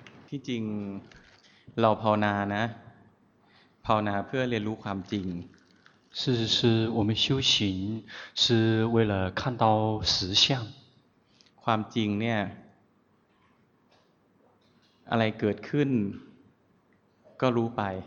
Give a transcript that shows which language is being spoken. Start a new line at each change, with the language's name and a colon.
Thai: จริงเราภาวนานะภาวนาเพื่อเรียนรู้ความจริง
Chinese: 事实是我们修行是为了看到实相
Thai: ความจริงเนี่ยอะไรเกิดขึ้นก็รู้ไป